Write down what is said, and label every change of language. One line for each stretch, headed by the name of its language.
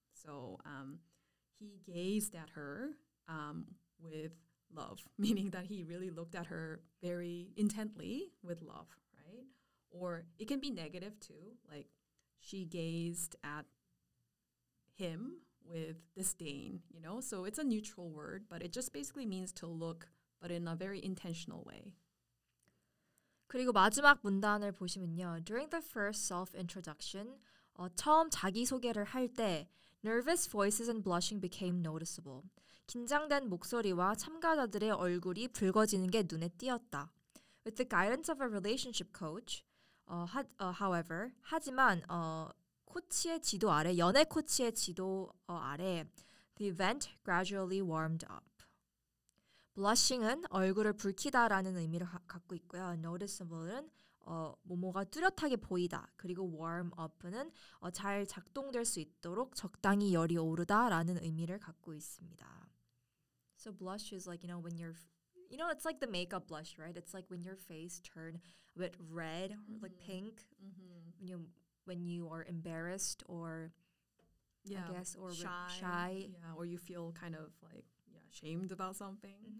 English: So he gazed at her with love, meaning that he really looked at her very intently with love, right? Or it can be negative too, like she gazed at him with disdain, you know? So it's a neutral word, but it just basically means to look, but in a very intentional way.
Korean: 그리고 마지막 문단을 보시면요.
English: During the first self-introduction,
Korean: 처음 자기소개를 할 때
English: nervous voices and blushing became noticeable.
Korean: 긴장된 목소리와 참가자들의 얼굴이 붉어지는 게 눈에 띄었다.
English: With the guidance of a relationship coach, however,
Korean: 하지만 코치의 지도 아래,
English: 연애 코치의 지도 아래 the event gradually warmed up.
Korean: Blushing은 얼굴을 붉히다라는 의미를 갖고 있고요. Noticeable은 뭐뭐가 뚜렷하게 보이다. 그리고 warm up은 잘 작동될 수 있도록 적당히 열이 오르다라는 의미를 갖고 있습니다.
English: So blush is like, you know, when you're, you know, it's like the makeup blush, right? It's like when your face turn a bit red or mm-hmm. like pink mm-hmm. when you are embarrassed or, yeah, I guess, or shy. Yeah, or you feel kind of like, yeah, shamed about something.